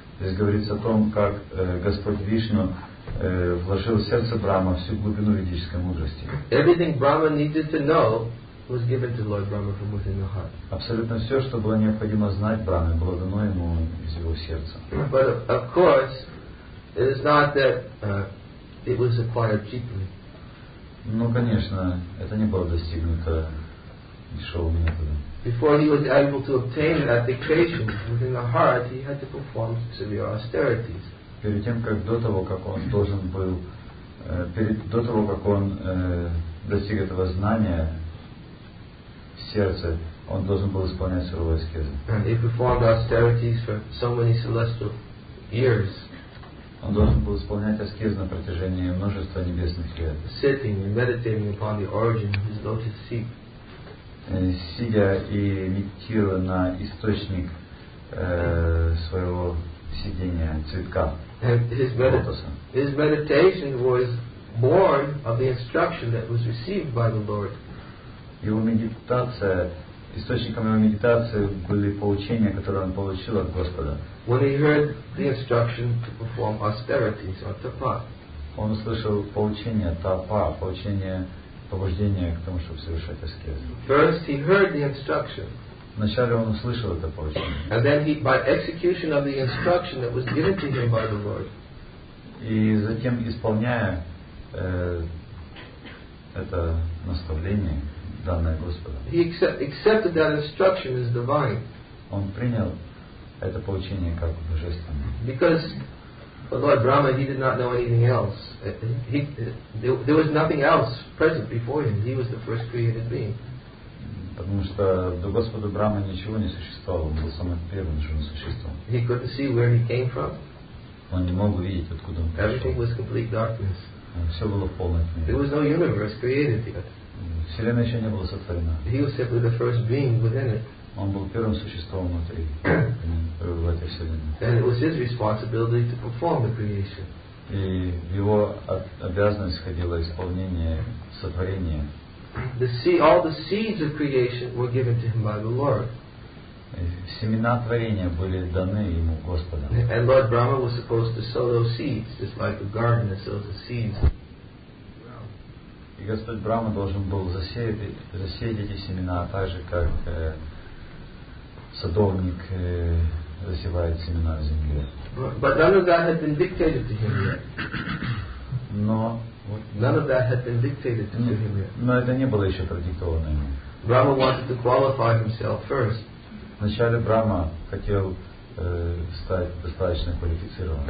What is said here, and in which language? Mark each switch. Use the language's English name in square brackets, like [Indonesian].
[Russian] Здесь говорится о том, как Господь Вишну вложил в сердце Брахма всю глубину ведической мудрости. [English] Everything Brahma needed to know was given to Lord Brahma from within the heart. [Russian] Абсолютно все, что было необходимо знать Брахме, было дано ему из его сердца. [English] But of course, it is not that it was acquired cheaply. [Russian] Ну, конечно, это не было достигнуто дешевым методом. [English] Before he was able to obtain that dictation within the heart, he had to perform severe austerities. [Russian] Перед тем, как до того, как он должен был, до того, как он достиг этого знания в сердце, он должен был исполнять суровые аскезы. [English] He performed austerities for so many celestial years. [Russian] Он должен был исполнять аскезы на протяжении множества небесных лет. [English] Sitting and meditating upon the origin of his lotus seat. [Russian] Сидя и медитируя на источник своего сидения цветка. [English] His meditation was born of the instruction that was received by the Lord. [Russian] Его медитация, источником его медитации были поучения, которые он получил от Господа. [English] When he heard the instruction to perform austerities or tapa. [Russian] Он услышал поучение тапа, поучение побуждение к тому, чтобы совершать аскезу. [English] First he heard the instruction. [Russian] Вначале он услышал это поручение. [English] And then he, by execution of the instruction that was given to him by the Lord. [Russian] И затем исполняя это наставление, данное Господом. [English] He accepted that instruction as divine. [Russian] Он принял это поручение как божественное. [English] Because the Lord Brahma, he did not know anything else. He, there was nothing else present before him. He was the first created being. [Russian] Потому что до Господа Брама ничего не существовало, он был самым первым живым существом. [English] He couldn't see where he came from. [Russian] Он не мог видеть, откуда он пришел. [English] Everything was complete darkness. [Russian] Все было в полной тьме. [English] There was no universe created yet. [Russian] Вселенная еще не была сотворена. [English] He was simply the first being within it. [Russian] Он был первым существом внутри в этой вселенной. [English] And it was his responsibility to perform the creation. [Russian] И в его обязанность входило исполнение сотворения. [English] The seed, all the seeds of creation were given to him by the Lord. [Russian] Семена творения были даны ему Господом. [English] And Lord Brahma was supposed to sow those seeds, just like a gardener sows the seeds. [Russian] И Господь Брама должен был засеять эти семена, так же как садовник засевает семена в земле. [English] But none of that had been dictated to him yet. [Russian] Но [English] none of that had been dictated to him yet. [Russian] Но это не было еще продиктовано ему. [English] Brahma wanted to qualify himself first. [Russian] Вначале Брама хотел стать достаточно квалифицированным.